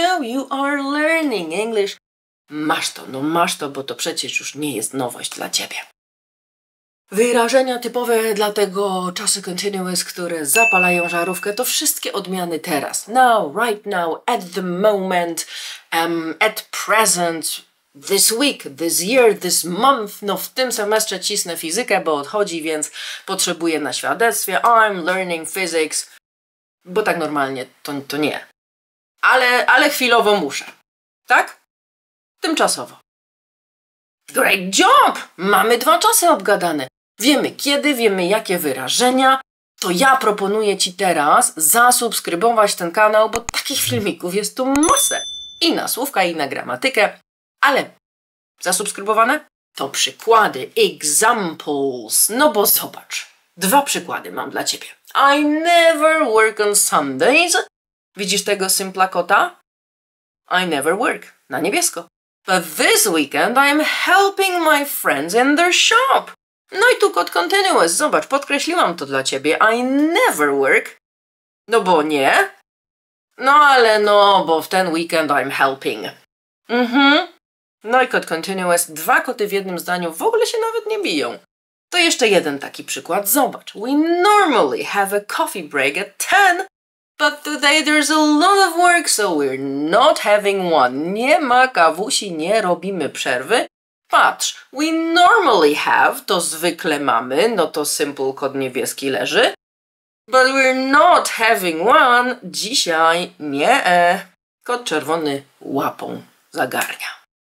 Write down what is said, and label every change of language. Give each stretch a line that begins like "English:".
English: No, you are learning English.
Polish: Masz to, no masz to, bo to przecież już nie jest nowość dla ciebie. Wyrażenia typowe dla tego czasu continuous, które zapalają żarówkę, to wszystkie odmiany teraz.
English: Now, right now, at the moment, at present, this week, this year, this month.
Polish: No w tym semestrze cisnę fizykę, bo odchodzi, więc potrzebuję na świadectwie.
English: I'm learning physics.
Polish: Bo tak normalnie to nie. Ale chwilowo muszę. Tak? Tymczasowo.
English: Great job!
Polish: Mamy dwa czasy obgadane. Wiemy kiedy, wiemy jakie wyrażenia, to ja proponuję ci teraz zasubskrybować ten kanał, bo takich filmików jest tu masę. I na słówka, i na gramatykę. Ale zasubskrybowane? To przykłady, examples. No bo zobacz, dwa przykłady mam dla ciebie.
English: I never work on Sundays.
Polish: Widzisz tego simpla kota?
English: I never work.
Polish: Na niebiesko.
English: But this weekend I'm helping my friends in their shop.
Polish: No i tu kod continuous. Zobacz, podkreśliłam to dla ciebie.
English: I never work.
Polish: No bo nie. No ale no, bo w ten weekend
English: I'm helping.
Polish: No i kod continuous. Dwa koty w jednym zdaniu w ogóle się nawet nie biją. To jeszcze jeden taki przykład. Zobacz.
English: We normally have a coffee break at 10, but today there's a lot of work, so we're not having one.
Polish: Nie ma kawusi, nie robimy przerwy. Patrz,
English: we normally have,
Polish: to zwykle mamy, no to simple kod niebieski leży.
English: But we're not having one,
Polish: dzisiaj nie. Kod czerwony łapą zagarnia.